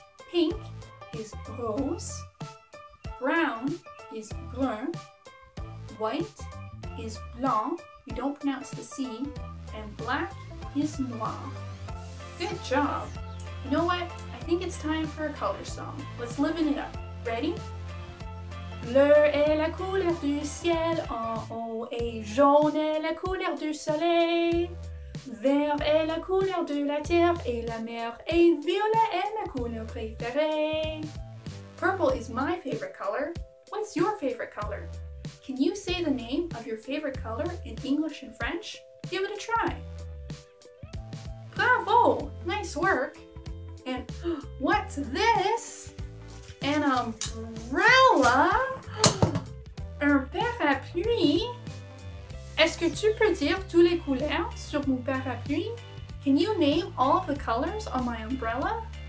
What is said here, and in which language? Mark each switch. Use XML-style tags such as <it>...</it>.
<en>Pink is rose. Brown is bleu. White is blanc, we don't pronounce the C. And black is noir. Good job! You know what? I think it's time for a color song. Let's liven it up. Ready?</en> <fr>Bleu est la couleur du ciel en haut et jaune est la couleur du soleil. Vert est la couleur de la terre et la mer et violet est la couleur préférée.</fr> <en>Purple is my favorite color. What's your favorite color? Can you say the name of your favorite color in English and French? Give it a try! Bravo! Nice work! And what's this? An umbrella?</en> <fr>Un parapluie? Est-ce que tu peux dire toutes les couleurs sur mon parapluie?</fr> <en>Can you name all the colors on my umbrella?</en>